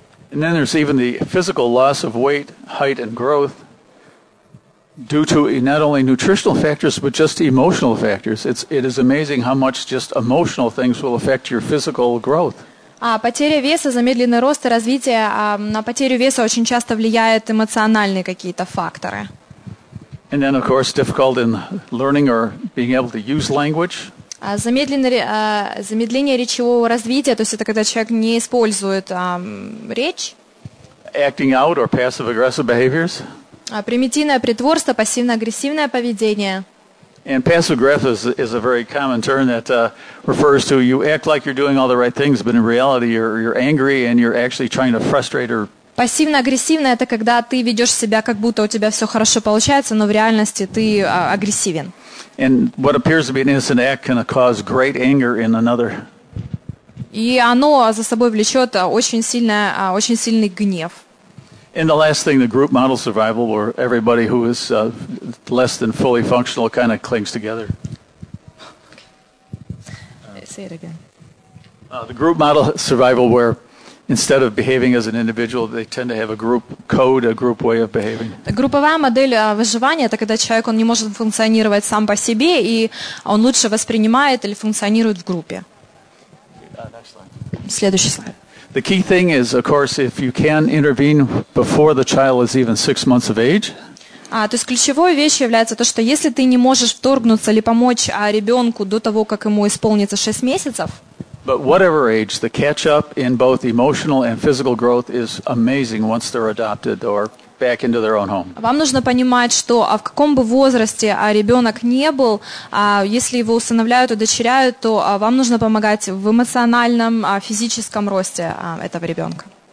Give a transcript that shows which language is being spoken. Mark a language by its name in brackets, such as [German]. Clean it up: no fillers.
[English] And then there's even the physical loss of weight, height and growth due to not only nutritional factors, but just emotional factors. It is amazing how much just emotional things will affect your physical growth. [Russian] Потеря веса, замедленный рост и развитие, на потерю веса очень часто влияют эмоциональные какие-то факторы. [English] And then, of course, difficult in learning or being able to use language. [Russian] Замедление речевого развития, то есть это когда человек не использует речь. [English] Acting out or passive-aggressive behaviors. [Russian] Примитивное притворство, пассивно-агрессивное поведение. [English] And passive aggressive is a very common term that refers to you act like you're doing all the right things, but in reality you're angry and you're actually trying to frustrate or. [Russian] Пассивно-агрессивное — это когда ты ведешь себя, как будто у тебя все хорошо получается, но в реальности ты агрессивен. [English] And what appears to be an innocent act can cause great anger in another. [Russian] И оно за собой влечет очень сильный гнев. [English] And the last thing, the group model survival, where everybody who is less than fully functional kind of clings together. Okay. Say it again. The group model survival, where instead of behaving as an individual, they tend to have a group code, a group way of behaving. [Russian] Групповая модель выживания — это когда человек, он не может функционировать сам по себе, и он лучше воспринимает или функционирует в группе. Следующий слайд. [English] The key thing is, of course, if you can intervene before the child is even 6 months of age. [Russian] То есть ключевой вещью является то, что если ты не можешь вторгнуться или помочь ребенку до того, как ему исполнится 6 месяцев. [English] But whatever age, the catch up in both emotional and physical growth is amazing once they're adopted or back into their own home. [Russian] Вам нужно понимать, что в каком бы возрасте ребенок не был, если его усыновляют, удочеряют, то вам нужно помогать в эмоциональном, физическом росте этого ребенка.